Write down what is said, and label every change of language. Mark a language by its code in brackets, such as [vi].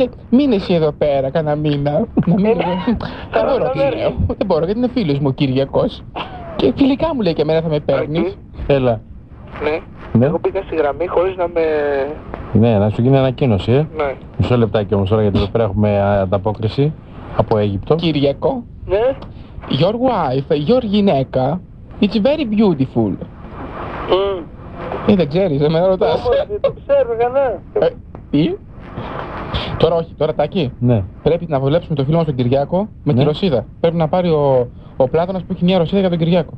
[el] Μείνε εσύ εδώ πέρα, κανένα μήνα. Να μην εδώ. Δεν μπορώ, τι λέω. Δεν μπορώ, γιατί είναι φίλος μου ο Κυριακός. Και φιλικά μου λέει και εμένα θα με παίρνεις. Έλα. Ναι. Εγώ πήγα στη γραμμή χωρίς να με... Ναι, να σου γίνει ανακοίνωση, ε. Ναι. Μισό λεπτάκι όμως τώρα, γιατί εδώ πέρα έχουμε ανταπόκριση από Αίγυπτο. Κυριακό. Ναι. [en] Your wife, your [el] γυναίκα, [en] it's very beautiful. Mm. [el] Ε, δεν ξέρεις, δεν με ρωτάς. Όχι, το ξέρω, κανένα. Τι? Τώρα όχι, τώρα Τάκη. Ναι. Πρέπει να βολέψουμε το φίλο μας τον Κυριάκο με, ναι, τη ρωσίδα. Πρέπει να πάρει ο Πλάτωνας που έχει μια ρωσίδα για τον Κυριάκο.